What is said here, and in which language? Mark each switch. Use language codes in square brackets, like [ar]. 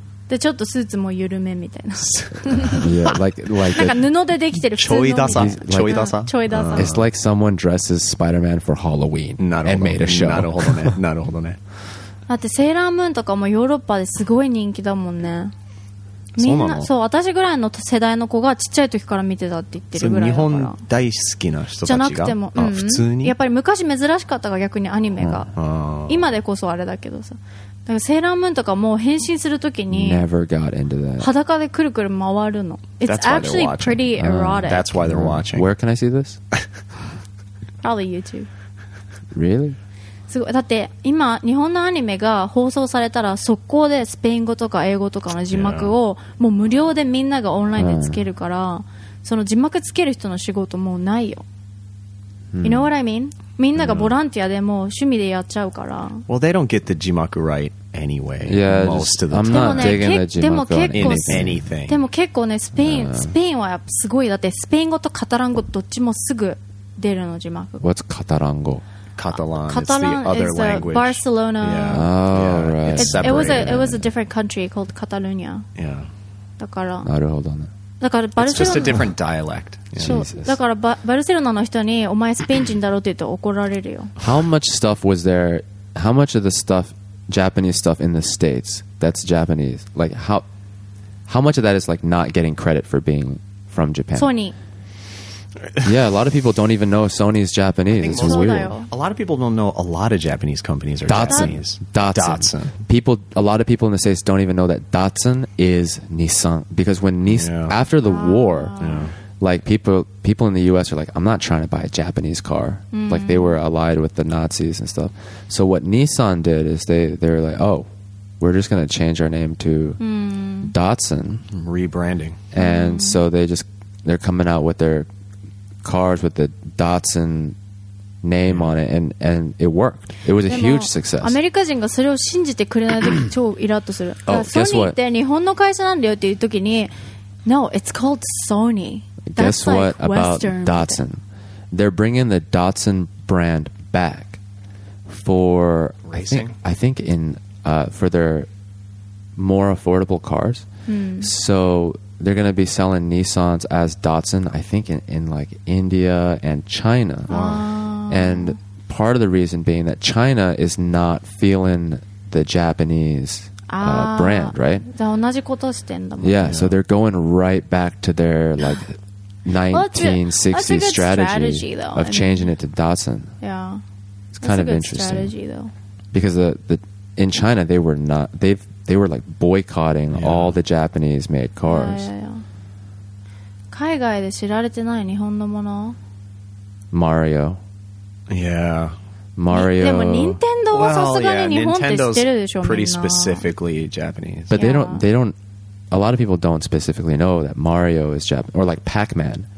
[en] It's like someone dresses Spider-Man for Halloween and made a show. [ja] なるほどね。だってセーラームーンとかもヨーロッパですごい人気だもんね。みんな、そう、私ぐらいの世代の子がちっちゃい時から見てたって言ってるぐらいだから。日本大好きな人たちが。じゃなくても、普通に。やっぱり昔珍しかったが逆にアニメが。今でこそあれだけどさ。だからセーラームーンとかも変身するときに [en] Never got into that. [ja] 裸でくるくる回るの。 [en] It's actually pretty erotic. That's why they're watching. Where can I see this? Probably YouTube. Really? [ja] すごい。だって今日本のアニメが放送されたら速攻でスペイン語とか英語とかの字幕をもう無料でみんながオンラインでつけるから、その字幕つける人の仕事もうないよ。 [en] You know what I mean? [ja] みんながボランティアでも趣味でやっちゃうから。 [en] Well, they don't get the 字幕 right anyway. Yeah, most of the time. I'm not digging the 字幕 in anything. [ja] でも結構ね、スペイン、スペインはやっぱすごい。だってスペイン語とカタラン語どっちもすぐ出るの字幕。 [en] What's カタラン語？ Catalan is the other language. Catalan is Barcelona. Yeah. Oh, yeah. Right. It was a different country called Catalonia. Yeah. [ja] だから。なるほどね。だからバルセロナ。 [en] It's just a different dialect. Yeah. [ja] So, だからバルセロナの人にお前スペイン人だろうって言うと怒られるよ。 [en] How much stuff was there? How much of the stuff, Japanese stuff in the States that's Japanese? Like how much of that is like not getting credit for being from Japan? Sony. Yeah, a lot of people don't even know Sony's Japanese. It's weird. A lot of people don't know a lot of Japanese companies are Datsun. Japanese. Datsun. People, a lot of people in the States don't even know that Datsun is Nissan. Because when after the war, like people in the U.S. are like, I'm not trying to buy a Japanese car. Mm. Like they were allied with the Nazis and stuff. So what Nissan did is they're like, oh, we're just going to change our name to Datsun. Rebranding. And so they're coming out with their cars with the Datsun name on it and it worked. It was a huge success. [ja] アメリカ人がそれを信じてくれないとき超イラッとする。ソニーって日本の会社なんだよっていうときに [en] No, it's called Sony. Guess what about Western. Datsun? They're bringing the Datsun brand back for racing. I think in for their more affordable cars. So they're going to be selling Nissans as Datsun, I think, in like India and China. Wow. And part of the reason being that China is not feeling the Japanese brand, right? Yeah, so they're going right back to their like 1960 well, strategy though, of changing it to Datsun. Yeah. It's kind of interesting. That's a good strategy, though. Because in China, they were like boycotting all the Japanese made cars. Yeah, yeah, yeah. [ja] 海外で知られてない日本のもの? [en] Mario. Yeah. Mario. Nintendo [ja] はさすがに日本って知ってるでしょ? [en] Pretty specifically Japanese. But they don't a lot of people don't specifically know that Mario is Japanese or like Pac-Man.